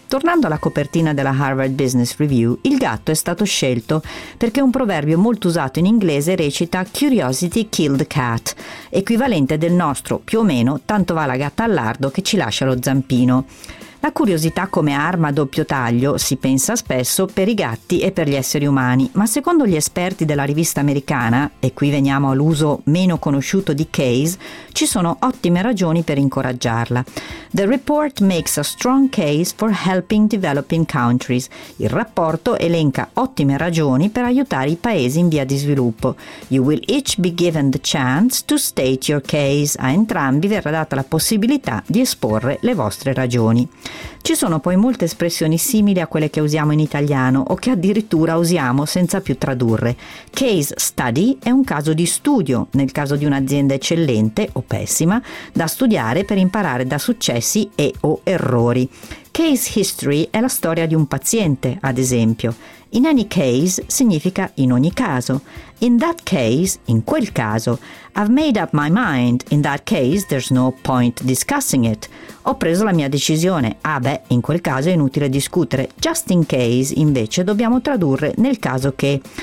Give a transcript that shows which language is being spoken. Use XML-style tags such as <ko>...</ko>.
<it>Tornando alla copertina della Harvard Business Review, il gatto è stato scelto perché un proverbio molto usato in inglese recita</it> <en>"Curiosity killed the cat",</en> <it>equivalente del nostro più o meno "tanto va la gatta al lardo che ci lascia lo zampino". La curiosità come arma a doppio taglio, si pensa spesso, per i gatti e per gli esseri umani, ma secondo gli esperti della rivista americana, e qui veniamo all'uso meno conosciuto di case, ci sono ottime ragioni per incoraggiarla.</it> <en>The report makes a strong case for helping developing countries.</en> <it>Il rapporto elenca ottime ragioni per aiutare i paesi in via di sviluppo.</it> <en>You will each be given the chance to state your case.</en> <it>A entrambi verrà data la possibilità di esporre le vostre ragioni. Ci sono poi molte espressioni simili a quelle che usiamo in italiano o che addirittura usiamo senza più tradurre. Case study è un caso di studio, nel caso di un'azienda eccellente o pessima, da studiare per imparare da successi e o errori. Case history è la storia di un paziente, ad esempio.</it> <en>In any case</en> <it>significa in ogni caso.</it> <en>In that case,</en> <it>in quel caso.</it> <en>I've made up my mind. In that case, there's no point discussing it.</en> <it>Ho preso la mia decisione. Ah beh, in quel caso è inutile discutere.</it> <en>Just in case,</en> <it>invece, dobbiamo tradurre nel caso che.</it>